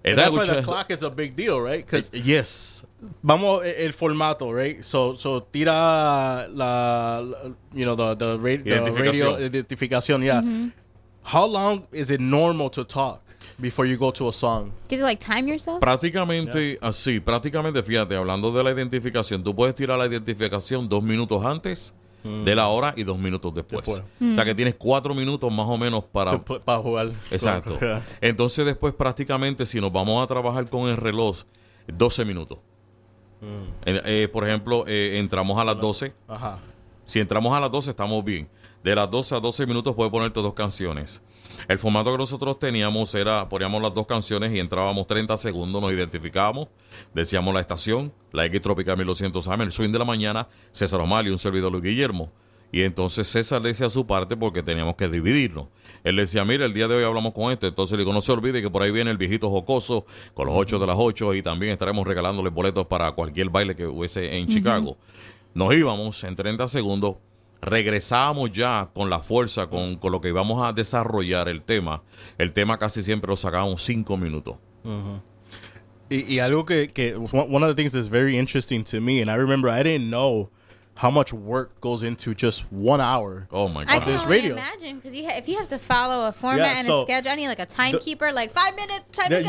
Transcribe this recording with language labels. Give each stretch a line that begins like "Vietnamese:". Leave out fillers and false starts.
English: That's why the clock is a big deal, right? Because yes.
Spanish: Vamos el formato,
English: right? So
Spanish: tira
English: the radio
Spanish: identificación,
English: yeah. Mm-hmm. How long is it normal to talk before you go to a song? Did you like time yourself?
Spanish: Prácticamente así, prácticamente fíjate, hablando de la identificación, tú puedes tirar la identificación 2 minutos antes de la hora y dos minutos después. O sea que tienes 4 minutos más o menos para... Para jugar. Exacto. Entonces después prácticamente si nos vamos a trabajar con el reloj, 12 minutos. Por ejemplo, entramos a las 12. Ajá. Si entramos a las 12 estamos bien. De las 12 a 12 minutos puedes ponerte dos canciones. El formato que nosotros teníamos era, poníamos las dos canciones y entrábamos 30 segundos, nos identificábamos, decíamos la estación, la X Tropical 1200 AM, el swing de la mañana, César Omar y un servidor Luis Guillermo. Y entonces César le decía su parte porque teníamos que dividirnos. Él le decía, mira, el día de hoy hablamos con esto. Entonces le digo, no se olvide que por ahí viene el viejito jocoso con los 8 de las 8 y también estaremos regalándole boletos para cualquier baile que hubiese en Chicago. Nos íbamos en 30 segundos. Regresábamos ya con la fuerza, con lo que íbamos a desarrollar el tema. El tema casi siempre lo sacábamos 5 minutos. Y algo que
English: one of the things that's very interesting to me, and I remember I didn't know how much work goes into just 1 hour. Oh my God. I can only radio. Imagine, because if you have to follow a format and a schedule, I need like a timekeeper, like 5 minutes, time to go.